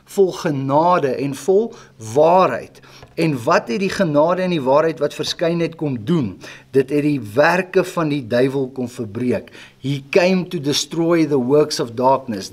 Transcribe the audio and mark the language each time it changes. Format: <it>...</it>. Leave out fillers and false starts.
<af>Vol genade en vol waarheid. En wat het die genade en die waarheid wat verskyn het kom doen? Dit het die werke van die duivel kom verbreek.</af> <en>He came to destroy the works of darkness.</en>